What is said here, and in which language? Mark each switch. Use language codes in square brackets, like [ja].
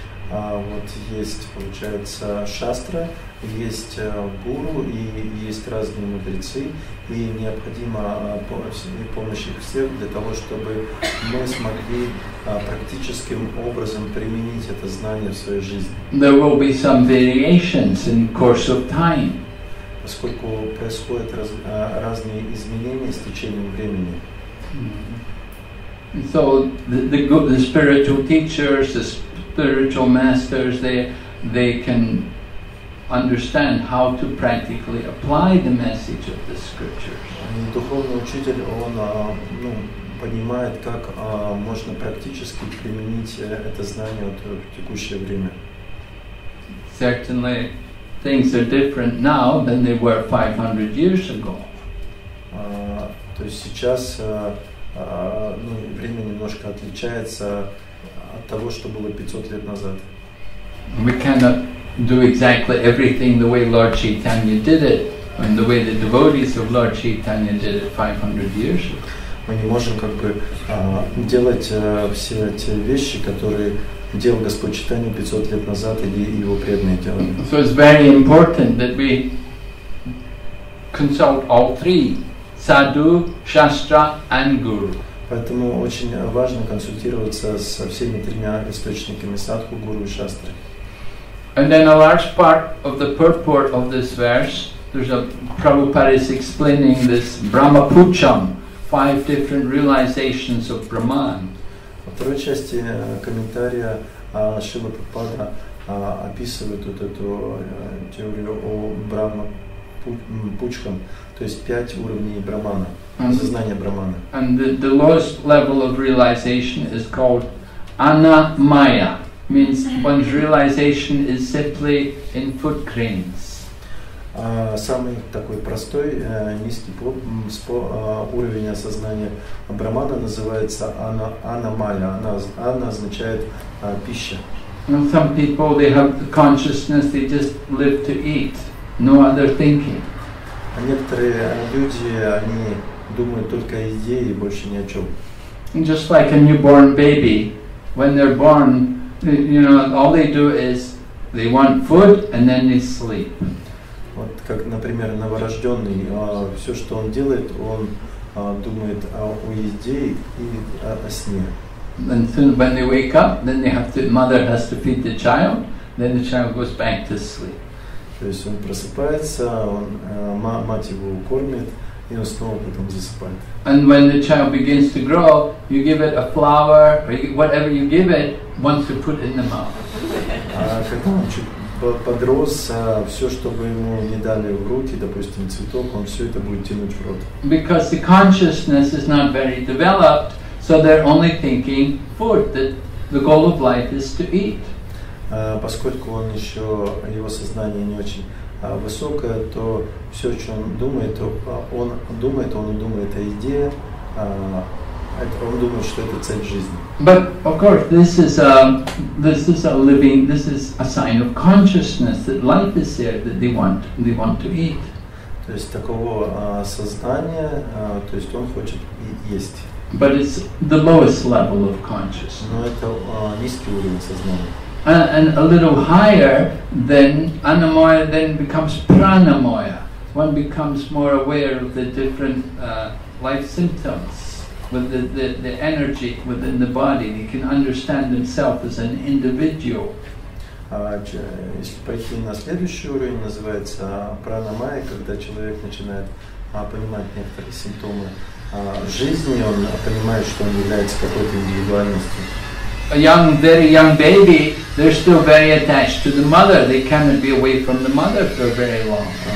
[ru] Вот есть, получается, шастра, есть гуру и есть разные мудрецы, и необходима помощь их всех для того, чтобы мы смогли практическим образом применить это знание в своей жизни. [en] There will be some variations in course of time. [ru] Поскольку происходят разные изменения с течением времени. Mm-hmm. [en] So the spiritual teachers, spiritual masters, they can understand how to practically apply the message of the scriptures. [ru] Духовный учитель, он понимает, как можно практически применить это знание в текущее время. [en] Certainly, things are different now than they were 500 years ago. [ru] То есть сейчас время немножко отличается от того, что было 500 лет назад. [en] We cannot do exactly everything the way Lord Chaitanya did it, and the way the devotees of Lord Chaitanya did it 500 years ago. [ru] Мы не можем делать все те вещи, которые делал Господь Чайтанья 500 лет назад, и его преданные делали. [en] So it's very important that we consult all three: sadhu, shastra, and guru. [ru] Поэтому очень важно консультироваться со всеми тремя источниками: садху, гуру и шастры. [en] And then a large part of the purport of this verse, there's a Prabhupada is explaining this Brahmapucham, five different realizations of Brahman. [ru] Во второй части комментария Шрила Прабхупада описывает вот эту теорию о Брахмапучхам, то есть пять уровней Брахмана. Сознание Брахмана. [en] And the lowest level of realization is called anamaya, means one's realization is simply in footprints. [ru] Самый такой простой низкий уровень осознания Брахмана называется анамаля. Ана означает пища. [en] And some people, they have the consciousness, they just live to eat, no other thinking. [ru] А некоторые люди, они думают только о еде и больше ни о чем. [en] Just like a newborn baby, when they're born, you know, all they do is they want food and then they sleep. [ru] Вот как, например, новорожденный, все, что он делает, он думает о еде и о сне. [en] And soon when they wake up, then they have to, mother has to feed the child, then the child goes back to sleep. [ru] То есть он просыпается, он, мать его кормит, и он снова потом засыпает. [en] And when the child begins to grow, you give it a flower, or whatever you give it, once you put it in the mouth. [ru] Когда он подрос, все, что бы ему не дали в руки, допустим, цветок, он все это будет тянуть в рот. [en] Because the consciousness is not very developed, so they're only thinking food, that the goal of life is to eat. [ru] Поскольку он еще, его сознание не очень высокое, то все, о чем он думает о еде, он думает, что это цель жизни. [en] But of course this is a living, this is a sign of consciousness that life is here, that they want to eat. [ru] То есть такого сознания, то есть он хочет есть. [en] But it's the lowest level of consciousness. [ru] Но это низкий уровень сознания. [en] And a little higher than anamaya, then becomes pranamaya. One becomes more aware of the different life symptoms, with the energy within the body. He can understand himself as an individual. [ru] Если пойти на следующий уровень, называется пранамая, когда человек начинает понимать некоторые симптомы жизни, он понимает, что он является какой-то индивидуальностью. [en] A young, very young baby, they're still very attached to the mother. They cannot be away from the mother for very long.